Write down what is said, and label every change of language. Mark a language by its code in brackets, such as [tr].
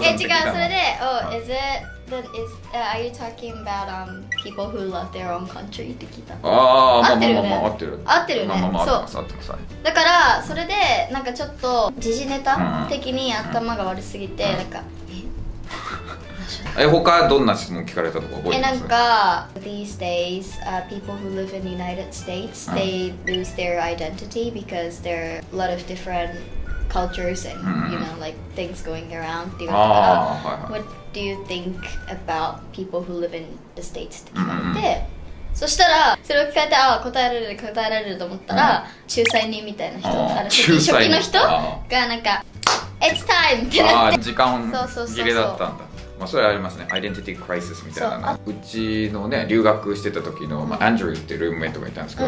[ja] 違う、それで、 [en] oh, is itThen is, are you talking about people who love their own country? [ja] って聞いた。ああ、ね、まあまあまあ、合ってる。合ってるね。まあまあまあ、そう。ってください。だから、それで、なんかちょっと、時事ネタ的に頭が悪すぎて、うん、なんか、え、他どんな質問聞かれたとか覚えてます？え、なんか [en] These days, people who live in the United States, they lose their identity because there are a lot of different cultures and, you know, like, things going around. [ja] っていうことから、はいはい、 [en] What do you think about people who live in the States? [ja] って聞かれて、うん、そしたらそれを聞かれて、ああ答えられる答えられると思ったら、うん、仲裁人みたいな人、あの仲裁人、初期の人がなんか [en] It's time! [ja] ってなって、あ、時間切れだったんだ。まあそれありますね、アイデンティティクライシスみたいなの。うちのね、留学してた時の、まあ、アンドリューってルームメイトがいたんですけど、